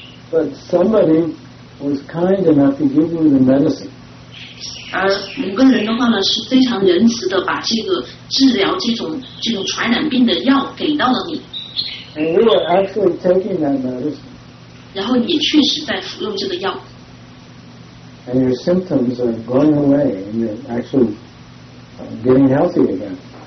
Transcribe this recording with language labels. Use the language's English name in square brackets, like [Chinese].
[English] but somebody was kind enough to give you the medicine, [Chinese] 而某个人的话呢是非常仁慈的把这个治疗这种传染病的药给到了你 [English] And you are actually taking that medicine [Chinese] 然后你确实在服用这个药 [English] And your symptoms are going away and you're actually getting healthy again